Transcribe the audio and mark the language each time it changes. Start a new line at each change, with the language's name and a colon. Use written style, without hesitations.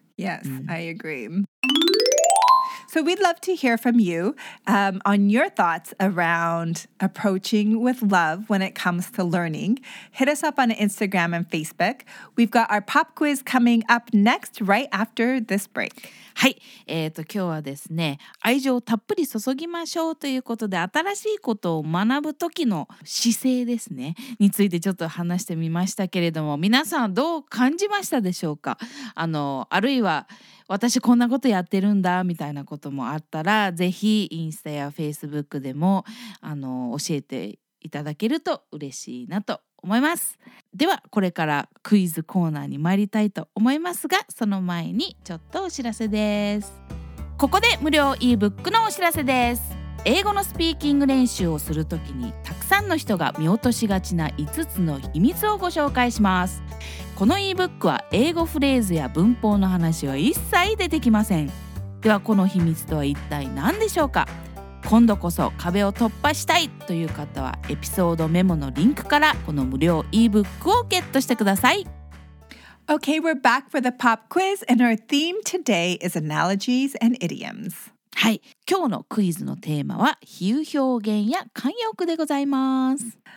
English: Yes,、うん、I agree. So we'd love to hear from you、on your thoughts around approaching with love when it comes to learning. Hit us up on Instagram and Facebook. We've got our pop quiz coming up next right after this break.
Japanese: はい、今日はですね、愛情をたっぷり注ぎましょうということで、新しいことを学ぶ時の姿勢ですねについてちょっと話してみましたけれども、皆さんどう感じましたでしょうか。あるいは私こんなことやってるんだみたいなこともあったら、ぜひインスタやフェイスブックでも教えていただけると嬉しいなと思います。ではこれからクイズコーナーに参りたいと思いますが、その前にちょっとお知らせです。ここで無料 ebook のお知らせです。英語のスピーキング練習をするときに、たくさんの人が見落としがちな5つの秘密をご紹介します。この ebook は英語フレーズや文法の話は一切出てきません。ではこの秘密とは一体何でしょうか。今度こそ壁を突破したいという方は、エピソードメモのリンクからこの無料 ebook をゲットしてください。
English: Okay, we're back for the pop quiz and our theme today is analogies and idioms.
Japanese: はい、今日のクイズのテーマは比喩表現や慣用句でございます。